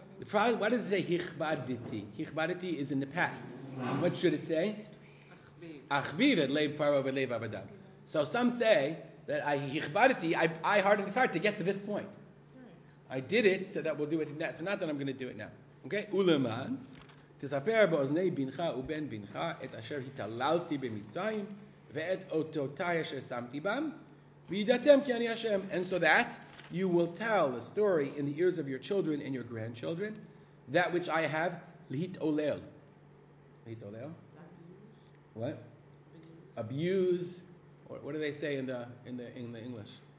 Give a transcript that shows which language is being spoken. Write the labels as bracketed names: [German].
[English] The problem, why does it say hichbaditi? Hichbaditi is in the past. What should it say? [Hebrew] Achbir et lev paro ve lev avadav. [English] So some say that I hardened his heart to get to this point. I did it so that we'll do it next. So not that I'm going to do it now. Okay? Uleman. [Hebrew] תספר באוזני בנך ובן בנך את אשר התעללתי במצרים ואת אותותי אשר שמתי בם וידעתם כי אני השם. [English] And so that you will tell the story in the ears of your children and your grandchildren that which I have להתעולל. להתעולל? What? Abuse. Or what do they say in the English?